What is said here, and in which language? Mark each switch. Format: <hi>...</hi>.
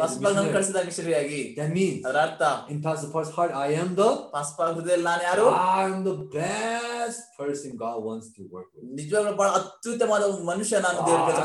<kn>Pastor Paul ನನ್ನ ಕಳಿಸಿದ ಮಿಷನರಿಯಾಗಿ.</kn> <en>That means.</en> <kn>ಅವರ ಅರ್ಥ.</kn> <en>In Pastor Paul's heart I am the.</en> <kn>Pastor Paul ಹೃದಯದಲ್ಲಿ ನಾನು ಯಾರು?</kn> <en>I am the best person God wants to work with.</en> <kn>ನಿಜವಾಗ್ಲೂ ಬಹಳ ಅತ್ಯುತ್ತಮವಾದ ಮನುಷ್ಯ ನಾನು ದೇವರ ಕೆಲಸ</kn>